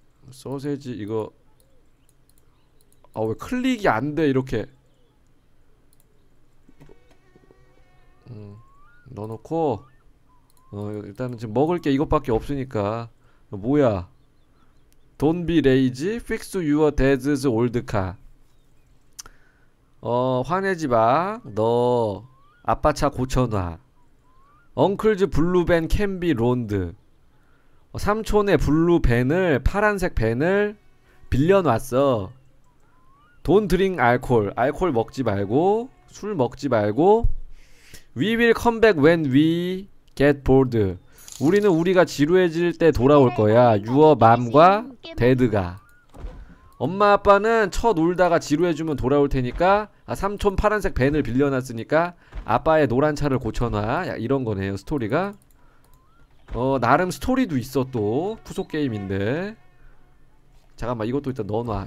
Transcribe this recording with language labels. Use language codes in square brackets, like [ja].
[ko] 소세지 이거. 왜 클릭이 안 돼 이렇게. 넣어놓고 일단은 지금 먹을 게 이것밖에 없으니까. 뭐야. [en] Don't be lazy, fix your dad's old car. [ko] 화내지 마. 너 아빠 차 고쳐놔. [en] Uncle's blue van can be loaned. [ko] 삼촌의 블루 밴을 파란색 밴을 빌려놨어. [en] Don't drink alcohol. [ko] 알코올 먹지 말고 술 먹지 말고. [en] We will come back when we get bored. [ko] 우리는 우리가 지루해질 때 돌아올 거야. [en] Your mom과 dad가. [ko] 엄마 아빠는 쳐 놀다가 지루해지면 돌아올 테니까. 삼촌 파란색 밴을 빌려놨으니까 아빠의 노란 차를 고쳐놔. 야, 이런 거네요 스토리가. 나름 스토리도 있어 또. 후속 게임인데. 잠깐만 이것도 일단 넣어놔.